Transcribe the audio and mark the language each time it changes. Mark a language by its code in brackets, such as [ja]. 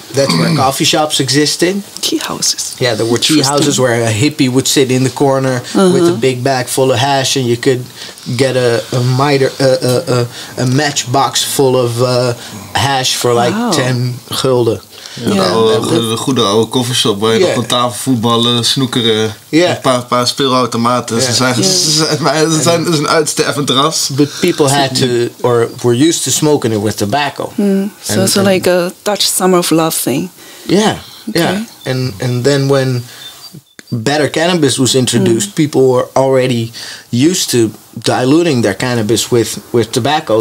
[en] That's where coffee shops existed. Tea houses. Yeah, there were tea houses where a hippie would sit in the corner with a big bag full of hash, and you could get a matchbox full of hash for like 10 gulden. [nl] De goede oude koffieshop waar je nog een tafel voetballen, snoekeren, een paar speelautomaten. Ze zijn een uitstervend ras. [en] But people had to, or were used to smoking it with tobacco. So it's like a Dutch summer of love thing. Yeah, okay. Yeah. And then when better cannabis was introduced, people were already used to diluting their cannabis with tobacco.